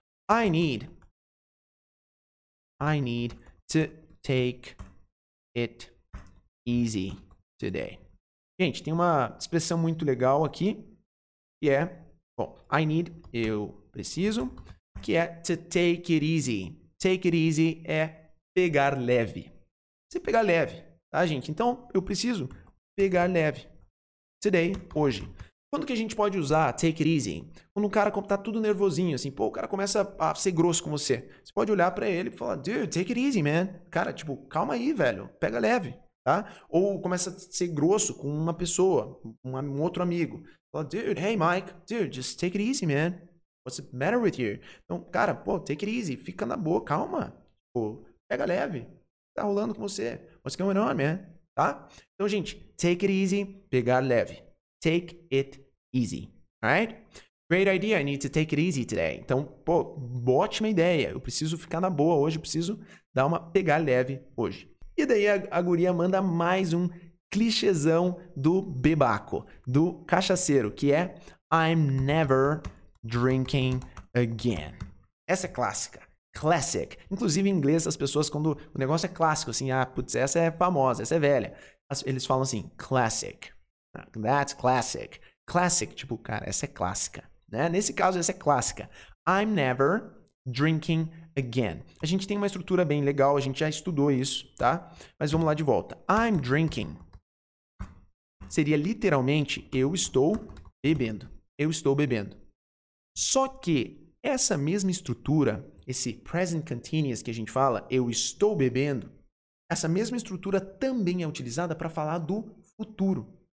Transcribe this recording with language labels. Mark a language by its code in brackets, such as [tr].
[en] I need to take it easy today. [pt] Gente, tem uma expressão muito legal aqui, que é, bom, I need, eu preciso, que é to take it easy. Take it easy é pegar leve. Você pegar leve, tá, gente? Então, eu preciso pegar leve. Today, hoje. Quando que a gente pode usar take it easy? Quando o cara tá tudo nervosinho, assim, pô, o cara começa a ser grosso com você. Você pode olhar pra ele e falar, [en] dude, take it easy, man. [pt] Cara, tipo, calma aí, velho. Pega leve, tá? Ou começa a ser grosso com uma pessoa, um outro amigo. [en] Fala, dude, hey, Mike. Dude, just take it easy, man. What's the matter with you? [pt] Então, cara, pô, take it easy. Fica na boa, calma. Tipo, pega leve. Tá rolando com você. [en] What's going on, man? [pt] Tá? Então, gente, take it easy, pegar leve. Take it easy, alright? [en] Great idea, I need to take it easy today. [pt] Então, pô, ótima ideia. Eu preciso ficar na boa hoje, eu preciso dar uma pegar leve hoje. E daí a guria manda mais um clichêzão do bebaco, do cachaceiro, que é [en] I'm never drinking again. [pt] Essa é clássica. Classic. Inclusive em inglês, as pessoas, quando o negócio é clássico, assim, ah, putz, essa é famosa, essa é velha, eles falam assim, classic. [en] That's classic. [pt] Classic, tipo, cara, essa é clássica, né? Nesse caso, essa é clássica. [en] I'm never drinking again. [pt] A gente tem uma estrutura bem legal, a gente já estudou isso, tá? Mas vamos lá de volta. I'm drinking seria literalmente eu estou bebendo. Eu estou bebendo. Só que essa mesma estrutura, esse present continuous que a gente fala, eu estou bebendo, essa mesma estrutura também é utilizada para falar do futuro.